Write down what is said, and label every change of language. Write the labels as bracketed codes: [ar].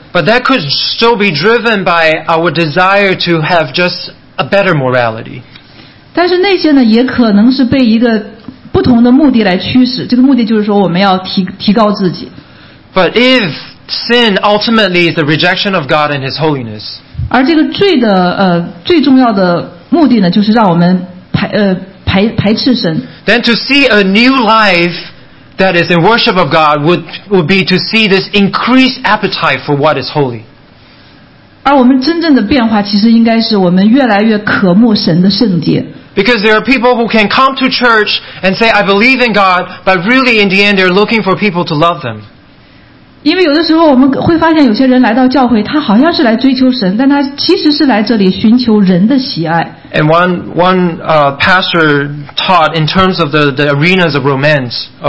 [en] But that could still be driven by our desire to have just a better morality. [zh] 但是那些呢，也可能是被一个不同的目的来驱使，这个目的就是说我们要提高自己。 [en] But if sin ultimately is the rejection of God and His holiness. [zh] 而这个罪的最重要的目的呢，就是让我们排斥神。 [en] Then to see a new life that is in worship of God would be to see this increased appetite for what is holy. [zh] 而我们真正的变化，其实应该是我们越来越渴慕神的圣洁。 [en] Because there are people who can come to church and say I believe in God, but really in the end they're looking for people to love them. [zh] 因为有的时候我们会发现有些人来到教会他好像是来追求神但他其实是来这里寻求人的喜爱 [en] And one pastor taught in terms of the arenas of romance,